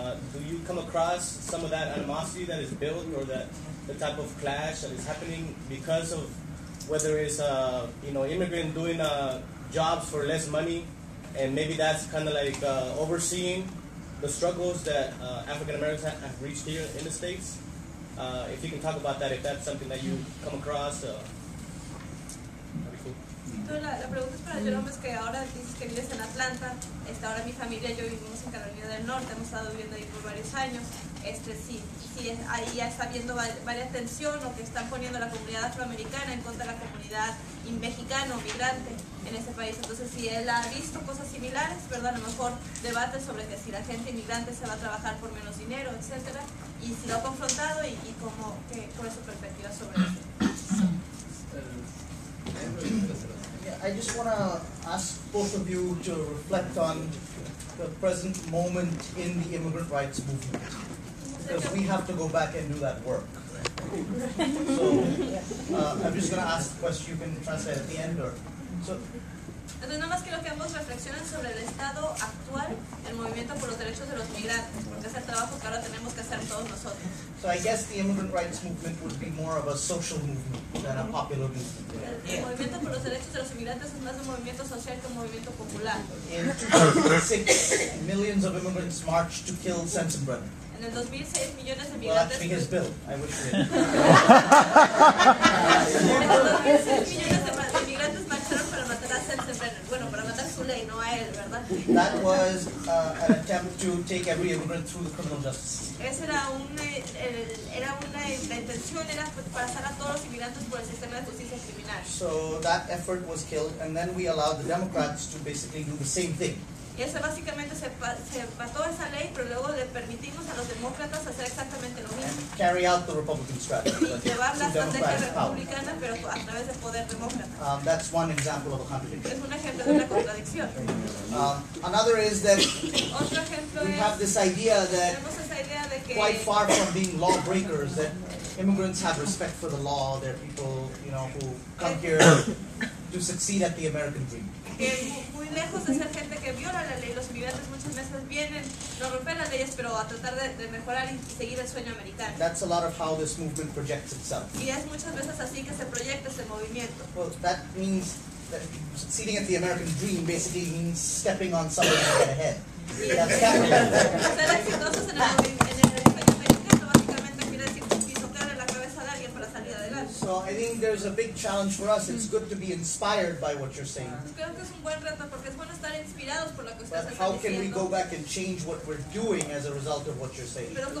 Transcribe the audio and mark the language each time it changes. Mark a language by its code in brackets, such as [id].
[en] Do you come across some of that animosity that is built or that the type of clash that is happening because of whether it's immigrant doing jobs for less money, and maybe that's kind of like overseeing the struggles that African Americans have reached here in the States? If you can talk about that, if that's something that you come across, that'd be cool. [es] La pregunta es para Jerome, es que ahora dices que vives en Atlanta, está ahora mi familia, yo vivimos en Carolina del Norte, hemos estado viviendo ahí por varios años, ahí ya está habiendo varias tensiones, o que están poniendo la comunidad afroamericana en contra de la comunidad mexicana o migrante en ese país. Entonces, si él ha visto cosas similares, ¿verdad? A lo mejor debate sobre que si la gente inmigrante se va a trabajar por menos dinero, etcétera, y si lo ha confrontado y cómo, cuál es su perspectiva sobre eso. [en] I just want to ask both of you to reflect on the present moment in the immigrant rights movement, because we have to go back and do that work. So I'm just going to ask the question, you can translate at the end. [es] Entonces, nada más quiero que ambos reflexionen sobre el estado actual del movimiento por los derechos de los migrantes, que es el trabajo que ahora tenemos que hacer todos nosotros. [en] So I guess the immigrant rights movement would be more of a social movement than a popular movement. [es] El movimiento por los derechos de los inmigrantes es más un movimiento social que un movimiento popular. [en] In 2006, millions of immigrants marched to kill Sensenbrenner. [es] En el 2006, millones de [en] migrantes... Well, actually, his bill. I wish it. [es] En el 2006, millones de migrantes marcharon para matar a Sensenbrenner. Bueno, para matar su ley, no a él, ¿verdad? [en] That was an attempt to take every immigrant through the criminal justice. [es] Esa era la intención era pasar a todos los inmigrantes por el sistema de justicia criminal. [en] So that effort was killed, and then we allowed the Democrats to basically do the same thing. [es] Y esa básicamente se pasó esa ley, pero luego le permitimos a los demócratas hacer exactamente lo mismo. [en] And carry out the Republican strategy. [es] Y llevar la estrategia republicana, pero a través del poder demócrata. [en] That's one example of a contradiction. [es] Es un ejemplo de una contradicción. [en] Another is that [es] otro ejemplo [en] we have this idea that quite far from being lawbreakers, that immigrants have respect for the law. They're people, who come here to succeed at the American dream. [es] Muy lejos de ser gente que viola la ley, los inmigrantes muchas veces vienen, no rompen las leyes, pero a tratar de mejorar y seguir el sueño americano. [en] That's a lot of how this movement projects itself. [es] Y es muchas veces así que se proyecta ese movimiento. [en] Well, that means that succeeding at the American dream basically means stepping on somebody's head. [es] Ser exitosos en el movimiento americano básicamente quiere decir pisotear en la cabeza de alguien para salir adelante. [en] So personal, I think there's a big challenge for us. It's good to be inspired by what you're saying. But how can we go back and change what we're doing as a result of what you're saying?